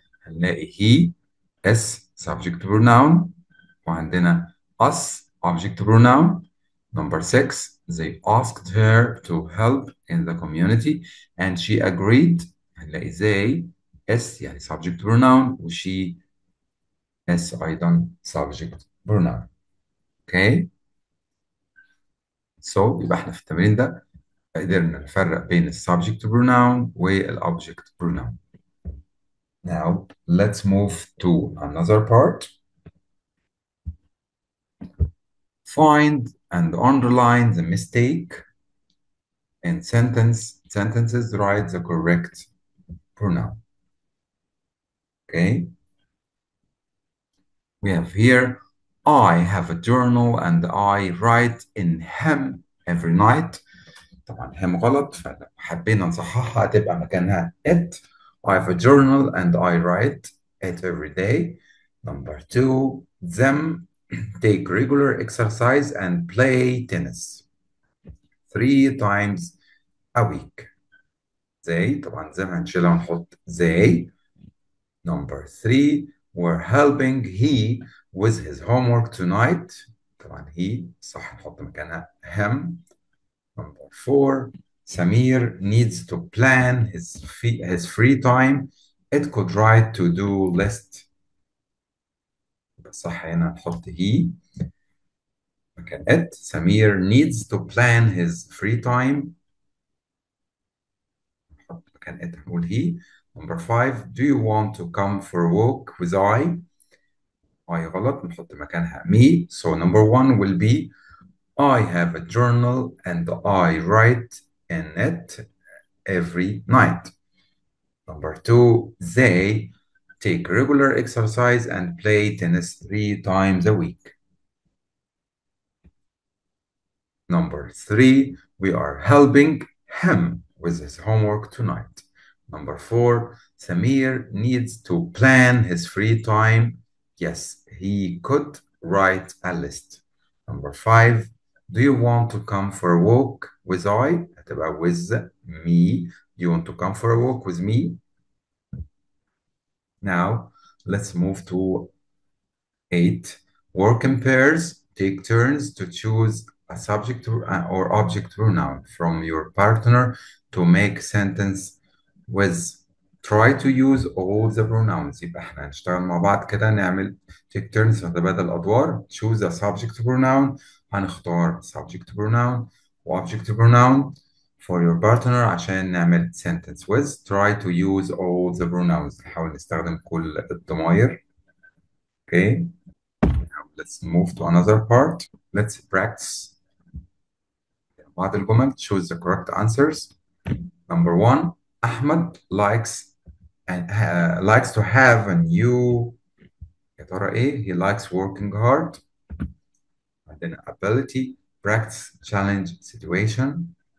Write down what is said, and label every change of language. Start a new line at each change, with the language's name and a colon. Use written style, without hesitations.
English: هنلاقي he is subject pronoun.
Arabic: وعندنا
English: us object pronoun. Number six, They asked her to help in the community and she agreed. هنلاقي they S يعني subject pronoun و she S أيضا subject pronoun. Okay.
Arabic: So يبقى احنا في التمرين ده قدرنا نفرق بين ال subject pronoun و ال object pronoun.
English: Now let's move to another part. Find and underline the mistake in sentences, write the correct pronoun. Okay. We have here, I have a journal and I write in him every night.
Arabic: طبعا him غلط فلو حبينا نصححها هتبقى مكانها it.
English: I have a journal and I write it every day. Number two, them. Take regular exercise and play tennis 3 times a week.
Arabic: They, طبعا زي ما هنشيلها ونحط they.
English: Number three, we're helping he with his homework tonight.
Arabic: طبعا he, صح نحط مكانها him.
English: Number four, Samir needs to plan his free time. It could write to-do list.
Arabic: صح هنا نحط he مكان it.
English: سمير needs to plan his free time.
Arabic: نحط مكان it نقول he.
English: Number five, do you want to come for a walk with I?
Arabic: I غلط نحط مكانها me.
English: So number one will be I have a journal and I write in it every night. Number two, they take regular exercise and play tennis 3 times a week. Number three, we are helping him with his homework tonight. Number four, Samir needs to plan his free time. Yes, he could write a list. Number five, do you want to come for a walk with I? هتبقى with me. Do you want to come for a walk with me? Now, let's move to 8. Work in pairs. Take turns to choose a subject or object pronoun from your partner to make sentence with. Try to use all the pronouns.
Arabic: يبقى احنا هنشتغل مع بعض كده نعمل
English: take turns
Arabic: نتبادل الأدوار.
English: Choose a subject pronoun. هنختار subject pronoun و object pronoun for your partner
Arabic: عشان نعمل
English: sentence with. Try to use all the pronouns.
Arabic: نحاول نستخدم كل الضماير.
English: Okay. Now let's move to another part. Let's practice.
Arabic: بعض الجمل.
English: Choose the correct answers. Number one, أحمد likes to have a new.
Arabic: يا ترى إيه؟
English: He likes working hard. عندنا ability, practice, challenge, situation.